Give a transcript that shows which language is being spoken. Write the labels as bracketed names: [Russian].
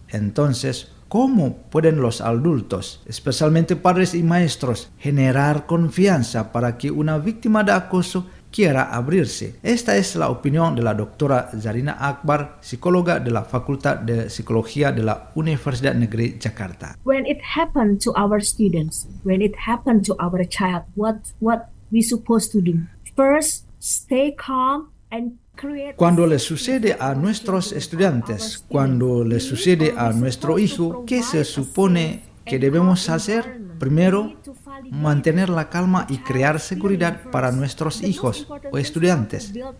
[Spanish] Entonces, ¿cómo pueden los adultos, especialmente padres y maestros, generar confianza para que una víctima de acoso quiera abrirse? Esta es la opinión de la doctora Zarina Akbar, psicóloga de la Facultad de Psicología de la Universidad Negeri Jakarta. [English] When it happened to our students, when it happened to our child, what we supposed to do? First, stay calm and [Spanish] Cuando le sucede a nuestros estudiantes, cuando le sucede a nuestro hijo, ¿qué se supone que debemos hacer? Primero, mantener la calma y crear seguridad para nuestros hijos o estudiantes.